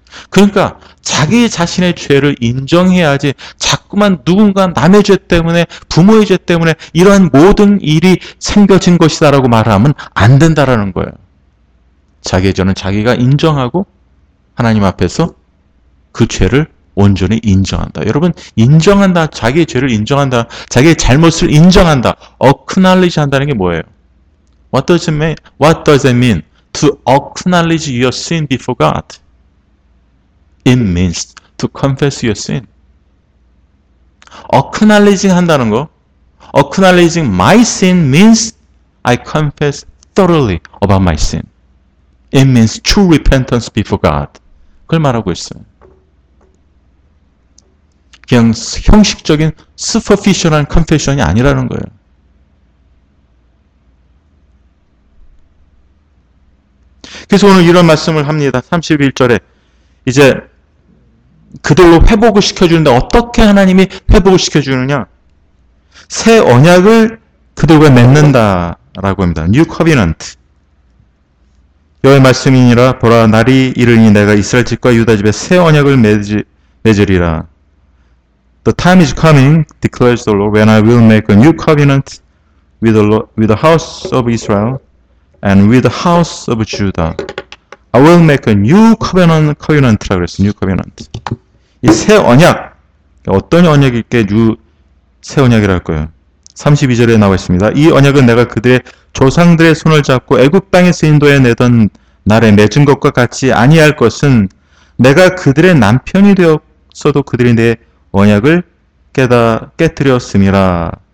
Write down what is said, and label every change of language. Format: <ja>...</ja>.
<ko>그러니까 자기 자신의 죄를 인정해야지 자꾸만 누군가 남의 죄 때문에 부모의 죄 때문에 이러한 모든 일이 생겨진 것이다라고 말하면 안 된다라는 거예요. 자기의 죄는 자기가 인정하고 하나님 앞에서 그 죄를 온전히 인정한다. 여러분, 인정한다. 자기의 죄를 인정한다. 자기의 잘못을 인정한다. acknowledge 한다는 게 뭐예요?</ko> <en>What does it mean to acknowledge your sin before God? It means to confess your sin. Acknowledging</en> <ko>한다는 거,</ko> <en>acknowledging my sin means I confess thoroughly about my sin. It means true repentance before God.</en> <ko>그걸 말하고 있어요. 그냥 형식적인 superficial한 confession이 아니라는 거예요. 그래서 오늘 이런 말씀을 합니다. 31절에 이제 그들로 회복을 시켜주는데 어떻게 하나님이 회복을 시켜주느냐? 새 언약을 그들과 맺는다라고 합니다.</ko> <en>New Covenant.</en> <ko>여호와의 말씀이니라 보라 날이 이르니 내가 이스라엘 집과 유다 집에 새 언약을 맺으리라.</ko> <en>The time is coming, declares the Lord, when I will make a new covenant with the house of Israel and with the house of Judah. I will make a new covenant</en> <ko>라고 했어요.</ko> <en>New covenant.</en> <ko>이새 언약, 어떤 언약일까요? 새 언약이랄까요? 32절에 나와 있습니다. 이 언약은 내가 그들의 조상들의 손을 잡고 애굽 땅에서 인도해 내던 날에 맺은 것과 같이 아니할 것은 내가 그들의 남편이 되었어도 그들이 내 언약을 깨뜨렸음이라.</ko>